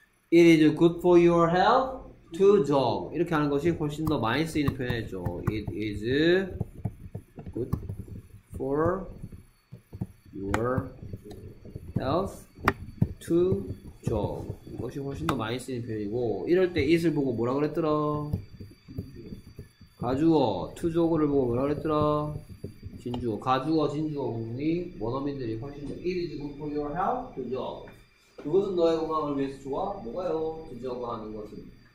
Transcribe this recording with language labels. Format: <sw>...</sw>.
<en>It is good for your health to jog.</en> <ko>이렇게 하는 것이 훨씬 더 많이 쓰이는 표현이죠.</ko> <en>It is good for your health to jog.</en> <ko>이것이 훨씬 더 많이 쓰이는 표현이고, 이럴 때 it을 보고 뭐라 그랬더라? 가주어, 투조어를 보고 뭐라 그랬더라? 진주어, 가주어, 진주어 부분이 원어민들이 훨씬 더</ko> <en>it is good for your health to jog.</en> <ko>그것은 너의 건강을 위해서 좋아? 뭐가요? 투 조그 하는 것은.</ko>